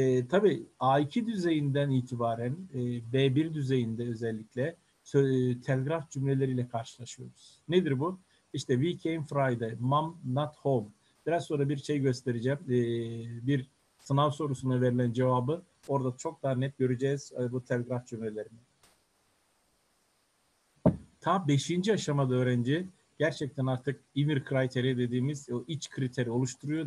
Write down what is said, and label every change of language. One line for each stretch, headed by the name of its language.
Turkish: Tabii A2 düzeyinden itibaren B1 düzeyinde özellikle telgraf cümleleriyle karşılaşıyoruz. Nedir bu? İşte
English: we came Friday, mom not home.
Turkish: Biraz sonra bir şey göstereceğim. Bir sınav sorusuna verilen cevabı orada çok daha net göreceğiz bu telgraf cümlelerini. Ta 5. aşamada öğrenci gerçekten artık inner criteria dediğimiz o iç kriteri oluşturuyor.